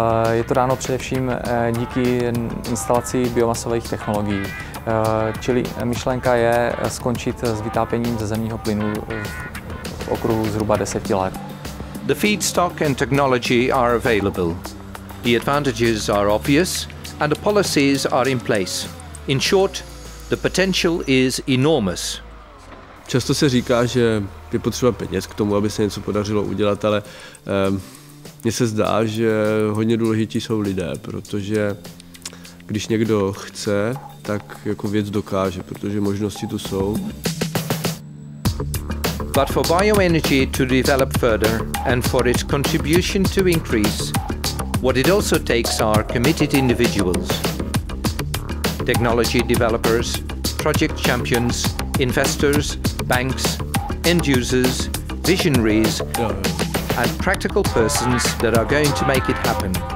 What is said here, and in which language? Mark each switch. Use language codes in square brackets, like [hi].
[cs] Je to dáno především díky instalaci biomasových technologií. Čili myšlenka je skončit s vytápěním ze zemního plynu v okruhu zhruba 10 let. [en] The feedstock and technology are available. The advantages are obvious and the policies are in place. In short, the potential is enormous. [cs] Často se říká, že je potřeba peněz k tomu, aby se něco podařilo udělat, ale mně se zdá, že hodně důležití jsou lidé, protože když někdo chce, tak jako věc dokáže, protože možnosti tu jsou. [en] But for bioenergy to develop further and for its contribution to increase, what it also takes are committed individuals. Technology developers, project champions, investors, banks, end users, visionaries, and practical persons that are going to make it happen.